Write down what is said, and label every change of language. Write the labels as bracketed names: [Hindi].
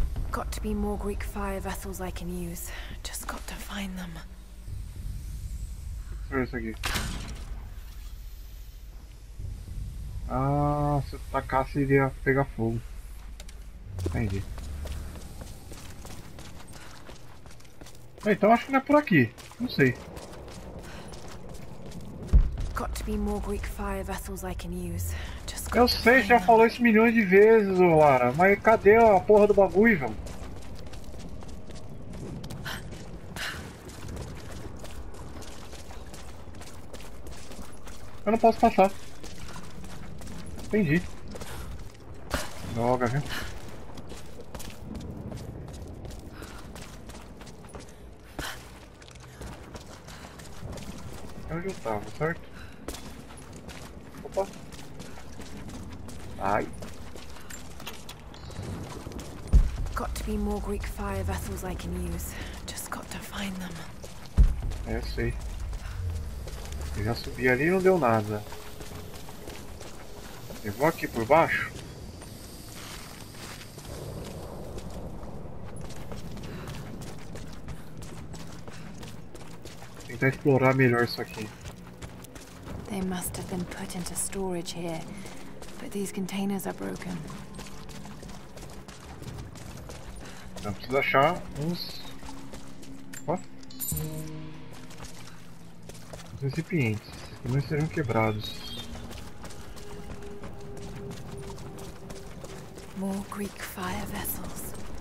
[English] Got to be more Greek fire vessels I can use. Just got to find them. [Portuguese] Deixa eu ver isso aqui. Ah, se eu tacasse iria pegar fogo. Entendi. Então acho que não é por aqui. Não sei. [English] Got to be more Greek fire vessels I can use. Just [Portuguese] eu sei, já falou isso milhões de vezes, Lara. Mas cadê a porra do bagulho, velho? Eu não posso passar. Entendi. Droga, viu? É onde eu tava, certo? Opa. Ai. [English] Got to be more Greek fire vessels I can use. Just got to find them. [Portuguese] É, sei. Eu já subi ali e não deu nada. Eu vou aqui por baixo. Tentar explorar melhor isso aqui. [English] They must have been put into storage here, but these containers are broken. [Portuguese] Então, preciso achar uns. Recipientes que não serão quebrados. [English] More Greek fire vessels.